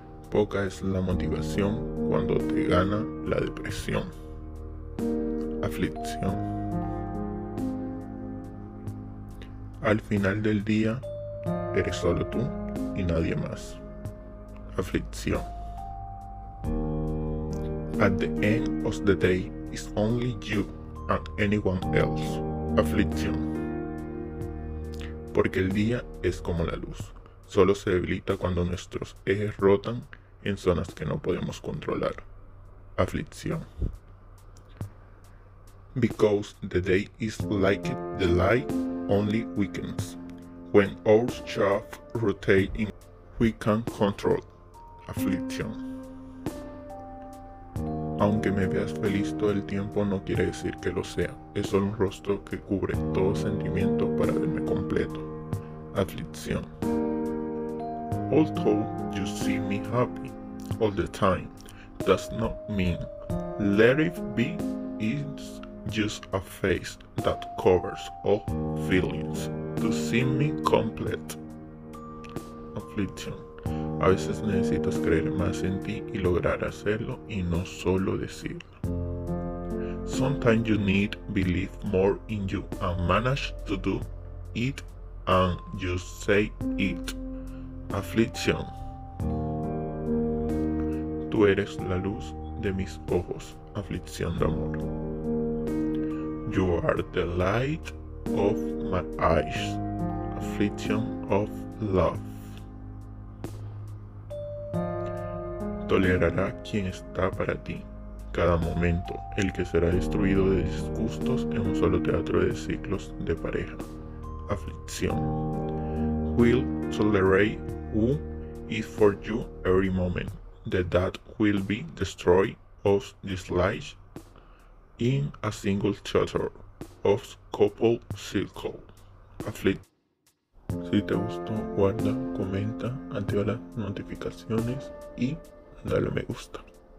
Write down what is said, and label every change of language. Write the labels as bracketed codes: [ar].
[es] Poca es la motivación cuando te gana la depresión. Aflicción. Al final del día, eres solo tú y nadie más. Aflicción. [en] At the end of the day, it's only you and anyone else. [es] Aflicción. Porque el día es como la luz. Solo se debilita cuando nuestros ejes rotan en zonas que no podemos controlar. Aflicción. [en] Because the day is like the light, only weakens. When our shaft rotates in, we can control. Aflicción. [es] Aunque me veas feliz todo el tiempo, no quiere decir que lo sea. Es solo un rostro que cubre todo sentimiento para verme completo. Aflicción. [en] Although you see me happy all the time, does not mean let it be. It's just a face that covers all feelings. To see me complete. Aflicción. [es] A veces necesitas creer más en ti y lograr hacerlo y no solo decirlo. [en] Sometimes you need believe more in you and manage to do it and you say it. [es] Aflicción. Tú eres la luz de mis ojos. Aflicción de amor. [en] You are the light of my eyes. Aflicción of love. [es] Tolerará quien está para ti, cada momento, el que será destruido de disgustos en un solo teatro de ciclos de pareja. Aflicción. [en] Will tolerate who is for you every moment, that will be destroyed of this life in a single chapter of couple circle. [es] Aflicción. Si te gustó, guarda, comenta, activa las notificaciones y dale me gusta.